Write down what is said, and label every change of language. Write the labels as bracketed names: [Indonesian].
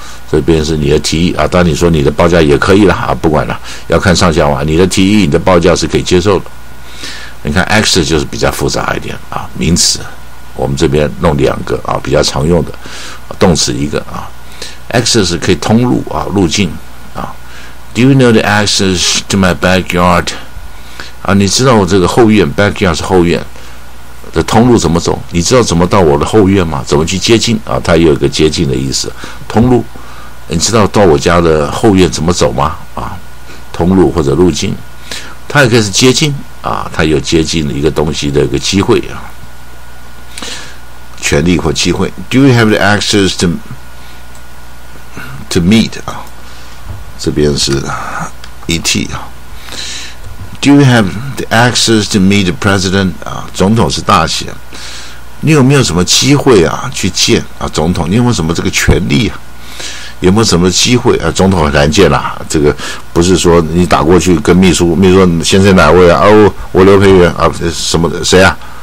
[Chinese] 这边是你的提议啊，当你说你的报价也可以了啊，不管了，要看上下文。你的提议，你的报价是可以接受的。你看 ，act 就是比较复杂一点啊，名词，我们这边弄两个啊，比较常用的，动词一个啊 ，act 是可以通路啊，路径啊。 [English] Do you know the access to my backyard？ [Chinese] 啊，你知道我这个后院 backyard 是后院的通路怎么走？你知道怎么到我的后院吗？怎么去接近啊？它也有一个接近的意思，通路。你知道到我家的后院怎么走吗？啊，通路或者路径，它也可以是接近啊，它有接近一个东西的一个机会啊，权利或机会。 [English] Do you have the access to meet 啊？ [Chinese] 这边是 et 啊。 [English] Do you have the access to meet the president? [Chinese] 啊，总统是大写。你有没有什么机会啊，去见啊总统？你有没有什么这个权利啊？有没有什么机会啊？总统很难见啦、啊。这个不是说你打过去跟秘书，秘书说先生哪位啊？哦，我刘培元啊，什么谁啊？